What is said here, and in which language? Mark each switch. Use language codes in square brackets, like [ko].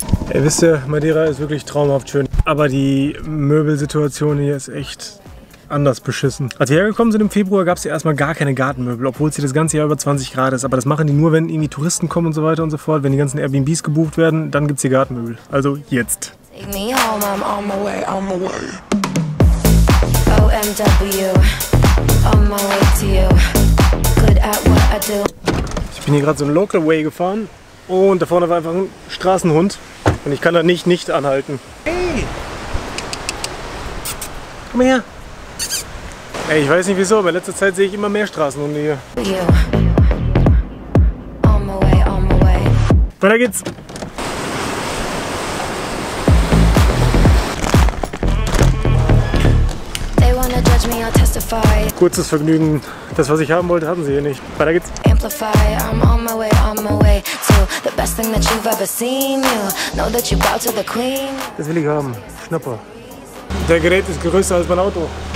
[de] Ey, wisst ihr, Madeira ist wirklich traumhaft schön. Aber die Möbelsituation hier ist echt anders beschissen. Als wir hergekommen sind im Februar, gab es hier erstmal gar keine Gartenmöbel, obwohl es hier das ganze Jahr über 20 Grad ist. Aber das machen die nur, wenn irgendwie Touristen kommen und so weiter und so fort. Wenn die ganzen Airbnbs gebucht werden, dann gibt es hier Gartenmöbel. Also jetzt. [en] Take me home, I'm on my way, on my way. OMW, on my way to you. Good at what I do. [de] Ich bin hier gerade so einen Local Way gefahren und da vorne war einfach ein Straßenhund. Und ich kann da nicht anhalten. Hey! Komm her! Ey, ich weiß nicht wieso, aber in letzter Zeit sehe ich immer mehr Straßenhunde hier. [en] On my way, on my way. [de] Weiter geht's! [en] They wanna judge me, I'll testify. [de] Kurzes Vergnügen. Das, was ich haben wollte, hatten sie hier nicht. Weiter geht's. [en] Amplify, I'm on my way, on my way. The best thing that you've ever seen, you know that you bow to the queen. [de] Das will ich haben. Schnapper. Der Gerät ist größer als mein Auto.